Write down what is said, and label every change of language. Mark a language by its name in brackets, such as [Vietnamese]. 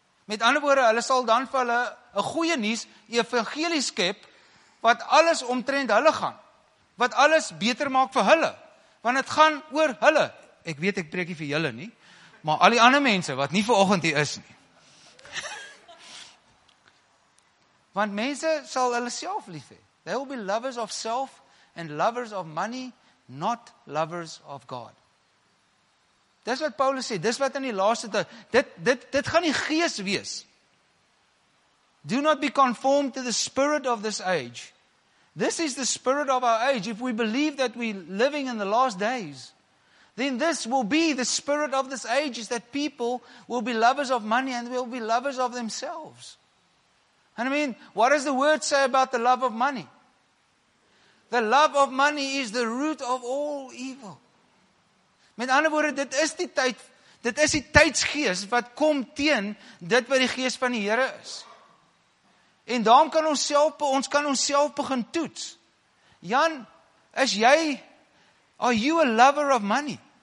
[Afrikaans] Met ander woorde, hulle sal dan vir hulle een goeie nuus, die evangelie skep, wat alles omtrent hulle gaan, wat alles beter maak vir hulle, want het gaan oor hulle, ek weet ek preek nie vir julle nie, maar al die ander mense, wat nie vir oggend hier is nie. Want mense sal hulle self lief hê. [English] They will be lovers of self, and lovers of money, not lovers of God. [Afrikaans] Dis wat Paulus sê, dis wat in die laaste tyd, dit gaan die gees wees. [English] Do not be conformed to the spirit of this age. This is the spirit of our age. If we believe that we're living in the last days, then this will be the spirit of this age, is that people will be lovers of money and will be lovers of themselves. And I mean, what does the word say about the love of money? The love of money is the root of all evil. [Afrikaans] Met ander woorde, dit is die tyd, dit is die tydsgees wat kom teen dit wat die gees van die Here is. En daarom kan ons kan onsself begin toets. Jan, [English] are you a lover of money?